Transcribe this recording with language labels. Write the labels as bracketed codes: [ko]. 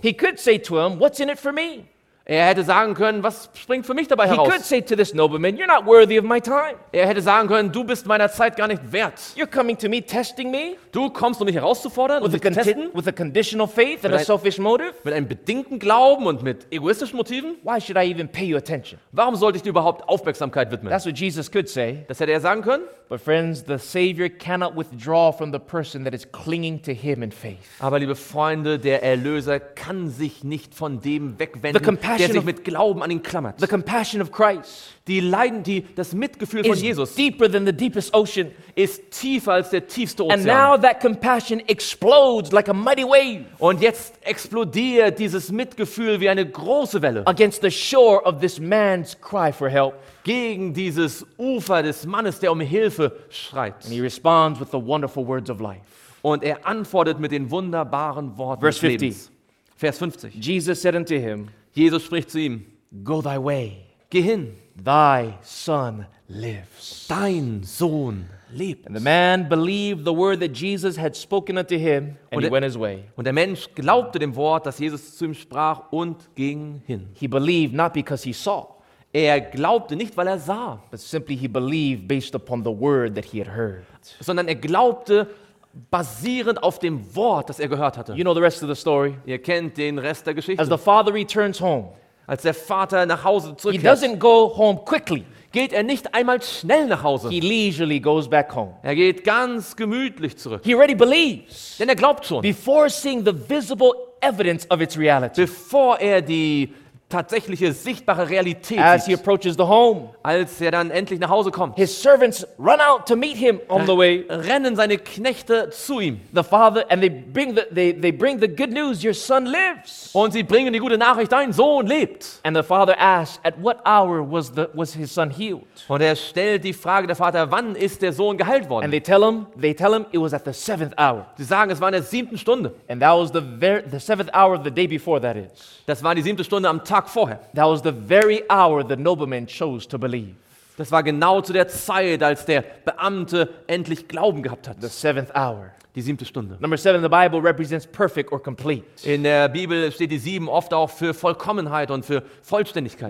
[en] He could say to him, what's in it for me? [de] Er hätte sagen können, was springt für mich dabei he heraus? [en] He could say to this nobleman, you're not worthy of my time. [de] Er hätte sagen können, du bist meiner Zeit gar nicht wert. [en] You're coming to me testing me? [de] Du kommst, um mich herauszufordern, [en] with [de] um mich zu testen? [en] With a conditional faith and a selfish motive? [de] Mit einem bedingten Glauben und mit egoistischen Motiven? [en] Why should I even pay you attention? [de] Warum sollte ich dir überhaupt Aufmerksamkeit widmen? [en] That's what Jesus could say. [de] Das hätte er sagen können. [en] But friends, the Savior cannot withdraw from the person that is clinging to him in faith. [de] Aber liebe Freunde, der Erlöser kann sich nicht von dem wegwenden, der sich mit Glauben an ihn klammert. [en] The compassion of Christ, [de] das Mitgefühl von Jesus, [en] deeper than the deepest ocean, [de] ist tiefer als der tiefste Ozean. [en] And now that compassion explodes like a mighty wave. [de] Und jetzt explodiert dieses Mitgefühl wie eine große Welle [en] against the shore of this man's cry for help. [de] Gegen dieses Ufer des Mannes, der um Hilfe schreit. [en] And he responds with the wonderful words of life. [de] Und er antwortet mit den wunderbaren Worten [en] Verse 50. [de] Des Lebens. Vers 50. [en] Jesus said unto him, [de] Jesus spricht zu ihm, [en] go thy way. [de] Geh hin. [en] Thy son lives. [de] Dein Sohn lebt. [en] And the man believed the word that Jesus had spoken unto him, and he went his way. [de] Und der Mensch glaubte dem Wort, das Jesus zu ihm sprach, und ging hin. [en] He believed not because he saw. [de] Er glaubte nicht, weil er sah. [en] But simply he believed based upon the word that he had heard. [de] Sondern er glaubte basierend auf dem Wort, das er gehört hatte. [en] You know the rest of the story. [de] Ihr kennt den Rest der Geschichte. [en] As the father returns home. [de] Als der Vater nach Hause zurückkehrt. [en] He doesn't go home quickly. [de] Geht er nicht einmal schnell nach Hause. [en] He leisurely goes back home. [de] Er geht ganz gemütlich zurück. [en] He already believes. [de] Denn er glaubt schon. [en] Before seeing the visible evidence of its reality. [de] Bevor er die tatsächliche sichtbare Realität. [en] As he approaches the home, [de] als er dann endlich nach Hause kommt, [en] his servants run out to meet him on the way. [de] Rennen seine Knechte zu ihm. [en] The father and they bring the good news. Your son lives. [de] Und sie bringen die gute Nachricht. Dein Sohn lebt. [en] And the father asks, at what hour was his son healed? [de] Und er stellt die Frage der Vater, wann ist der Sohn geheilt worden? [en] And they tell him it was at the seventh hour. [de] Sie sagen, es war in der siebten Stunde. [en] And that was the seventh hour of the day before. That is. [de] Das war die siebte Stunde am Tag vorher. [en] That was the very hour the nobleman chose to believe. [de] Das war genau zu der Zeit, als der Beamte endlich Glauben gehabt hat. [en] The seventh hour. [de] Die siebte Stunde. [en] Number seven, the Bible represents perfect or complete. [de] In der Bibel steht die sieben oft auch für Vollkommenheit und für Vollständigkeit.